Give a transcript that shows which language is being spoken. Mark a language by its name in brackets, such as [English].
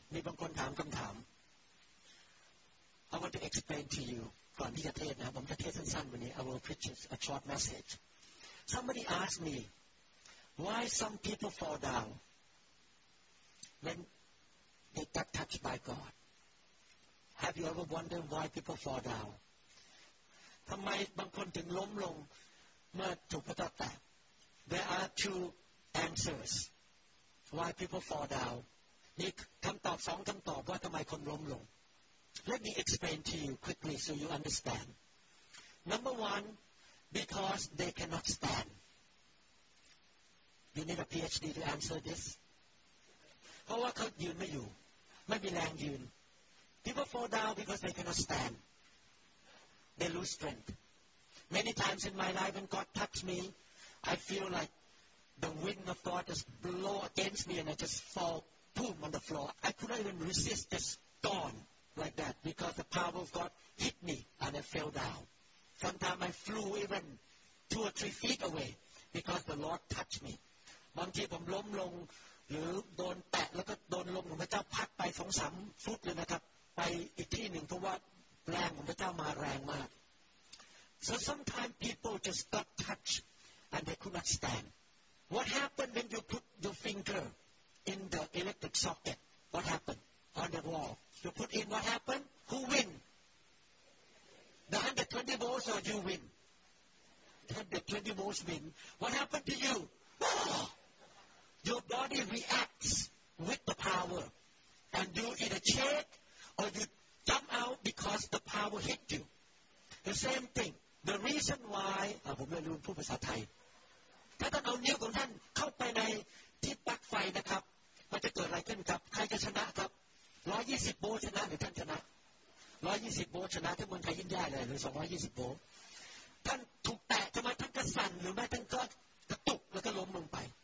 [Thai] มีบางคนถามคำถาม [English] I want to explain to you [Thai] ก่อนที่จะเทศนะผมจะเทศสั้นๆวันนี้ [English] I will preach a short message. Somebody asked me why some people fall down when they got touched by God. Have you ever wondered why people fall down? [Thai] ทำไมบางคนถึงล้มลงเมื่อถูกพระเจ้าแตะ [English] There are two answers. Why people fall down? [Thai] มีคำตอบสองคำตอบว่าทำไมคนล้มลง [English] Let me explain to you quickly so you understand. Number one, because they cannot stand. You need a PhD to answer this. [Thai] เพราะว่าเขายืนไม่อยู่ไม่มีแรงยืน [English] People fall down because they cannot stand. They lose strength. Many times in my life when God touched me, I feel like. The wind of God just blow against me, and I just fall, boom, on the floor. I could not even resist, just gone like that, because the power of God hit me, and I fell down. Sometimes I flew even 2 or 3 feet away, because the Lord touched me. [Thai] บางทีผมล้มลงหรือโดนแตะแล้วก็โดนลมของพระเจ้าพัดไป2-3 feet เลยนะครับไปอีกที่หนึ่งเพราะว่าแรงของพระเจ้ามาแรงมาก [English] So sometimes people just got touched, and they could not stand. What happened when you put your finger in the electric socket? What happened on the wall? You put in, what happened? Who win? The 120 volts or you win? 120 volts win. What happened to you? Oh! Your body reacts with the power. And you either shake or you jump out because the power hit you. The same thing. The reason why... [Thai] ผมไม่รู้พูดภาษาไทยถ้าท่านเอานิ้วของท่านเข้าไปในที่ปลั๊กไฟนะครับมันจะเกิดอะไรขึ้นครับใครจะชนะครับ120โวลต์ชนะหรือท่านชนะ120โวลต์ชนะถ้าเมืองไทยยิ่งใหญ่เลยหรือ220โวลต์ท่านถูกแตะทำไมท่านก็สั่นหรือแม้ท่านก็กระตุกแล้วก็ล้มลงไป